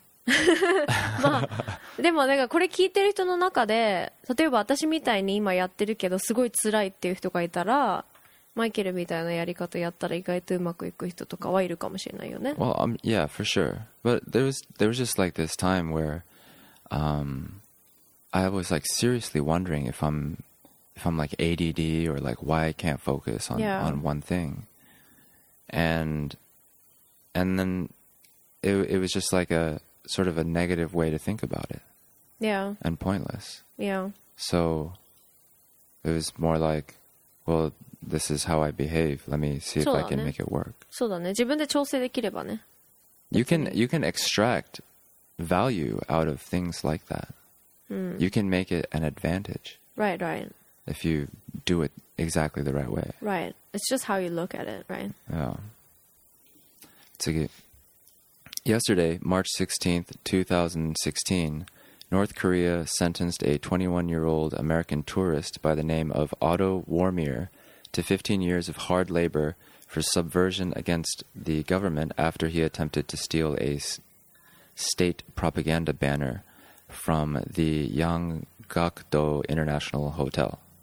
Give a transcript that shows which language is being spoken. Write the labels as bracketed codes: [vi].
[ja] まあ、でもなんかこれ聞いてる人の中で、例えば私みたいに今やってるけどすごい辛いっていう人がいたら、マイケルみたいなやり方やったら意外とうまくいく人とかはいるかもしれないよね。 [en] Well, yeah, for sure. But there was just like this time where, I was like seriously wondering if I'm like ADD or like why I can't focus on, yeah. on one thing. And then it was just like a sort of a negative way to think about it. Yeah. And pointless. Yeah. So it was more like, well, this is how I behave. Let me see if I can make it work. [ja] そうだね。自分で調整できればね。 [en] You can extract value out of things like that. You can make it an advantage. Right. If you do it exactly the right way. Right. It's just how you look at it, right? Yeah. [ja] 次。 [en] Yesterday, March 16th, 2016, North Korea sentenced a 21-year-old American tourist by the name of Otto Warmeier to 15 years of hard labor for subversion against the government after he attempted to steal a state propaganda banner from the Yanggakdo International Hotel.